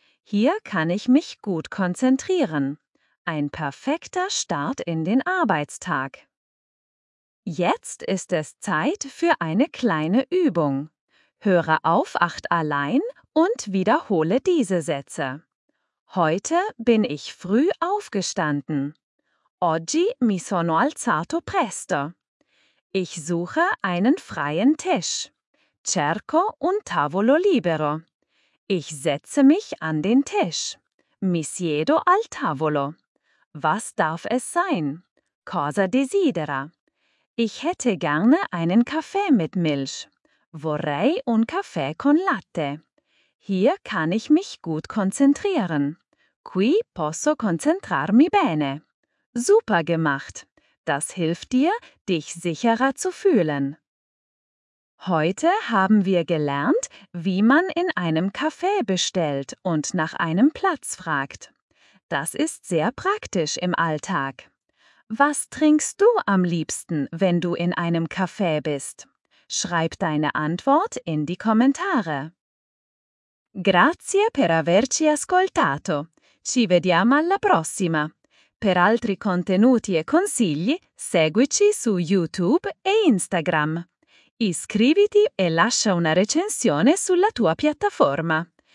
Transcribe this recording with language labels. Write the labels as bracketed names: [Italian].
[German] Hier kann ich mich gut konzentrieren. Ein perfekter Start in den Arbeitstag. Jetzt ist es Zeit für eine kleine Übung. Höre auf, acht allein und wiederhole diese Sätze. Heute bin ich früh aufgestanden. [Italian] Oggi mi sono alzato presto. [German] Ich suche einen freien Tisch. [Italian] Cerco un tavolo libero. [German] Ich setze mich an den Tisch. [Italian] Mi siedo al tavolo. [German] Was darf es sein? [Italian] Cosa desidera? [German] Ich hätte gerne einen Kaffee mit Milch. [Italian] Vorrei un caffè con latte. [German] Hier kann ich mich gut konzentrieren. [Italian] Qui posso concentrarmi bene. [German] Super gemacht. Das hilft dir, dich sicherer zu fühlen. Heute haben wir gelernt, wie man in einem Café bestellt und nach einem Platz fragt. Das ist sehr praktisch im Alltag. Was trinkst du am liebsten, wenn du in einem Café bist? Schreib deine Antwort in die Kommentare. [Italian] Grazie per averci ascoltato. Ci vediamo alla prossima. Per altri contenuti e consigli, seguici su YouTube e Instagram. Iscriviti e lascia una recensione sulla tua piattaforma.